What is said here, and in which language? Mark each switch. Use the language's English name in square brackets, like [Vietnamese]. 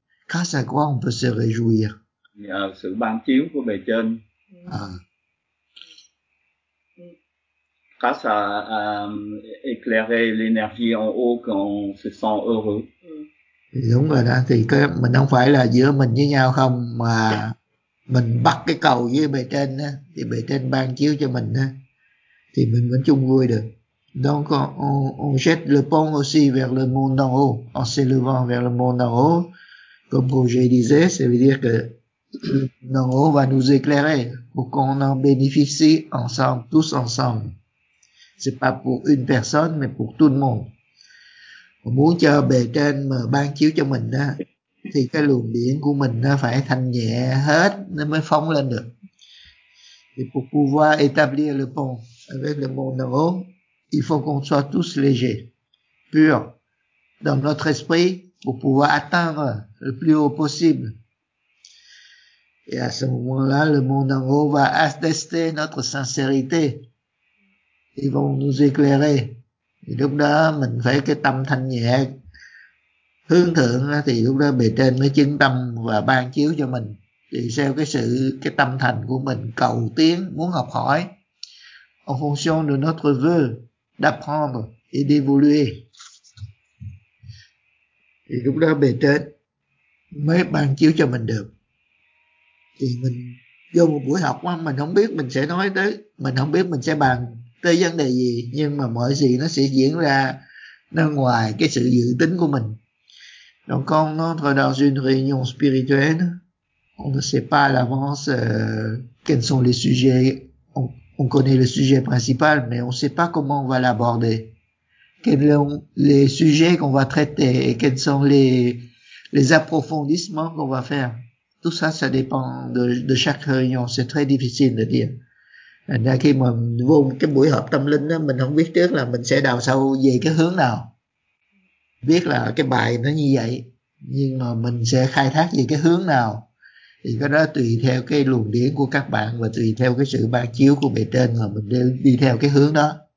[French] grâce à quoi on peut se réjouir. [Vietnamese] Nhờ sự ban chiếu của bề trên. [French] Grâce à éclairer l'énergie en haut qu'on se sent heureux. [Vietnamese] Đúng rồi đó, thì cái, mình không phải là giữa mình với nhau không, mà mình bắt cái cầu với bề trên á, thì bề trên ban chiếu cho mình á, thì mình vẫn chung vui được. [French] Donc on jette le pont aussi vers le monde d'en haut, en s'élevant vers le monde d'en haut, comme Roger disait, ça veut dire que d'en haut va nous éclairer pour qu'on en bénéficie ensemble, tous ensemble. C'est pas pour une personne, mais pour tout le monde. [Vietnamese] Mình muốn cho bề trên mà ban chiếu cho mình á, thì cái luồng điện của mình nó phải thanh nhẹ hết nó mới phóng lên được. [French] Et pour pouvoir établir le pont avec le monde d'en haut, il faut qu'on soit tous légers, purs dans notre esprit pour pouvoir atteindre le plus haut possible. Et à ce moment-là, le monde d'en haut va attester notre sincérité. Ils vont nous éclairer. [Vietnamese] Thì lúc đó mình phải cái tâm thanh nhẹ hướng thượng đó, thì lúc đó bề trên mới chứng tâm và ban chiếu cho mình. Thì theo cái sự cái tâm thành của mình cầu tiến muốn học hỏi, [French] en fonction de notre vœu d'apprendre et d'évoluer, [Vietnamese] thì lúc đó bề trên mới ban chiếu cho mình được. Thì mình vô một buổi học á, mình không biết mình sẽ nói tới, mình không biết mình sẽ bàn tới vấn đề gì, nhưng mà mọi gì nó sẽ diễn ra nó ngoài cái sự dự tính của mình. [French] Donc on entre dans une réunion spirituelle, on ne sait pas à l'avance quels sont les sujets. On connaît le sujet principal, mais on ne sait pas comment on va l'aborder. Quels sont les sujets qu'on va traiter et quels sont les approfondissements qu'on va faire. Tout ça, ça dépend de chaque réunion. C'est très difficile de dire. [Vietnamese] Thành ra khi mà vô cái buổi họp tâm linh đó, mình không biết trước là mình sẽ đào sâu về cái hướng nào. Biết là cái bài nó như vậy, nhưng mà mình sẽ khai thác về cái hướng nào. Thì cái đó tùy theo cái luồng điển của các bạn và tùy theo cái sự ban chiếu của bề trên mà mình đi theo cái hướng đó.